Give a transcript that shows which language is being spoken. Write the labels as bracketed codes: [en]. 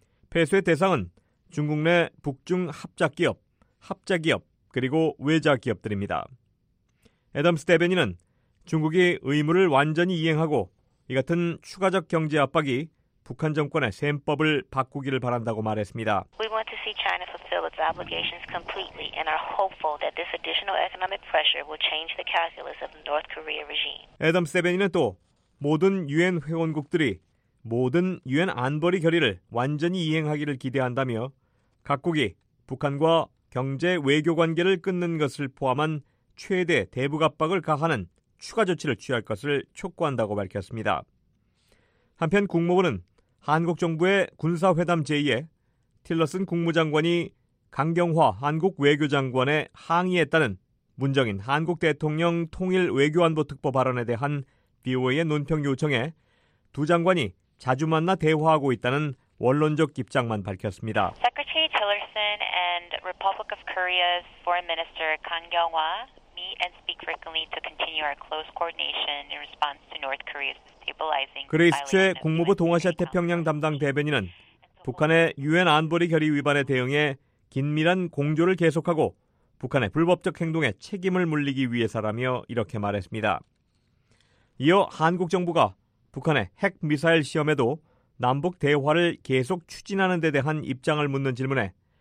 [ko] 폐쇄 대상은 중국 내 북중 합작 기업, 합자 기업, 그리고 외자 기업들입니다. 애덤스 대변인은 중국이 의무를 완전히 이행하고 이 같은 추가적 경제 압박이 북한 정권의 셈법을 바꾸기를 바란다고 말했습니다. [en] We want to see China fulfill its obligations completely and are hopeful that this additional economic pressure will change the calculus of the North Korea regime. [ko] 애덤스 대변인은 또 모든 유엔 회원국들이 모든 유엔 안보리 결의를 완전히 이행하기를 기대한다며 각국이 북한과 경제 외교 관계를 끊는 것을 포함한 최대 대북 압박을 가하는 추가 조치를 취할 것을 촉구한다고 밝혔습니다. 한편 국무부는 한국 정부의 군사회담 제의에 틸러슨 국무장관이 강경화 한국 외교장관에 항의했다는 문정인 한국 대통령 통일 외교안보특보 발언에 대한 BOA의 논평 요청에 두 장관이 자주 만나 대화하고 있다는 원론적 입장만 밝혔습니다. [en] Secretary Tillerson and Republic of Korea's Foreign Minister Kang Kyung-hwa meet and speak frequently to continue our close coordination in response to North Korea's destabilizing. [ko] 그레이스 최 국무부 동아시아 태평양 담당 대변인은 북한의 유엔 안보리 결의 위반에 대응해 긴밀한 공조를 계속하고 북한의 불법적 행동에 책임을 물리기 위해서라며 이렇게 말했습니다. 이어 한국 정부가 북한의 핵미사일 시험에도 남북 대화를 계속 추진하는 데 대한 입장을 묻는 질문에